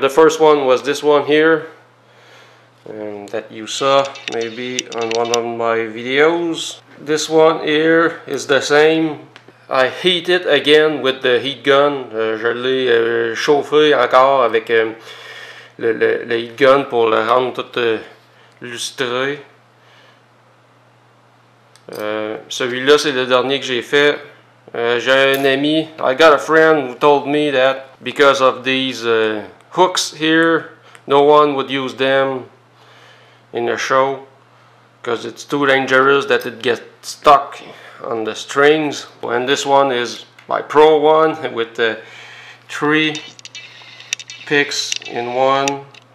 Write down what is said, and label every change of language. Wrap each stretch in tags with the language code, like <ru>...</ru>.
<en>The first one was this one here, that you saw maybe on one of my videos. This one here is the same. I heat it again with the heat gun.</en> <fr>Je l'ai chauffé encore avec le heat gun pour le rendre tout lustré. Celui-là, c'est le dernier que j'ai fait. J'ai un ami.</fr> <en>I got a friend who told me that because of these hooks here, no one would use them in a show because it's too dangerous that it gets stuck on the strings. And this one is my pro one with the 3 picks in one.</en>